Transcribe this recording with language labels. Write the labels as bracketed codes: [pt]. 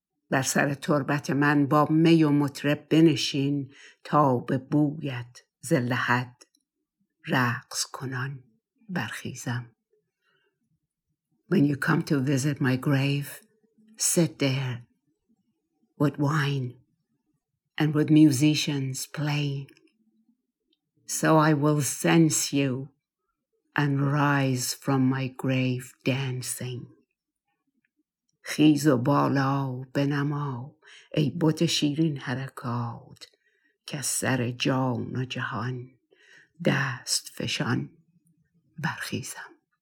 [fa] بر سر تربت من با می و مطرب بنشین، تا به بویت ز لحد رقص کنان برخیزم. [en] When you come to visit my grave, sit there with wine and with musicians playing, so I will sense you and rise from my grave dancing. [fa] خیز و بالا بنما ای بت شیرین حرکات، که سر جان و جهان دست فشان برخیزم.